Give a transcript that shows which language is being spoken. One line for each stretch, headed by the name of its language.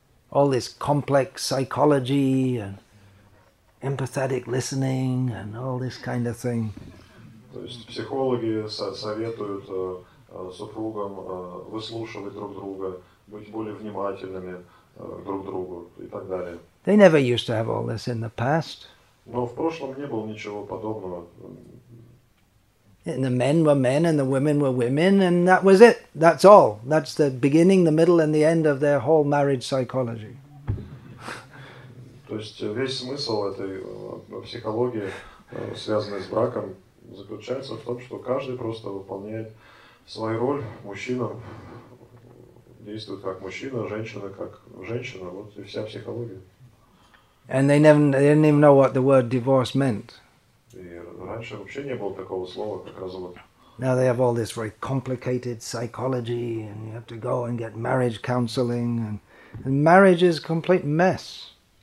English: All this complex psychology and empathetic listening and all this kind of thing.
Russian: То есть психологи советуют супругам выслушивать друг друга, быть более внимательными друг другу и так далее.
English: They never used to have all this in the past.
Russian: Но в прошлом не было ничего подобного.
English: And the men were men and the women were women, and that was it. That's all. That's the beginning, the middle and the end of their whole marriage psychology.
Russian: То есть весь смысл этой психологии, связанной с браком, заключается в том, что каждый просто выполняет свою роль. Мужчина действует как мужчина, женщина как женщина. Вот и вся психология.
English: And they didn't even know what the word divorce meant.
Russian: Раньше вообще не было такого слова, как развод.
English: Now they have all this very complicated psychology, and you have to go and get marriage counseling, and marriage is a complete mess.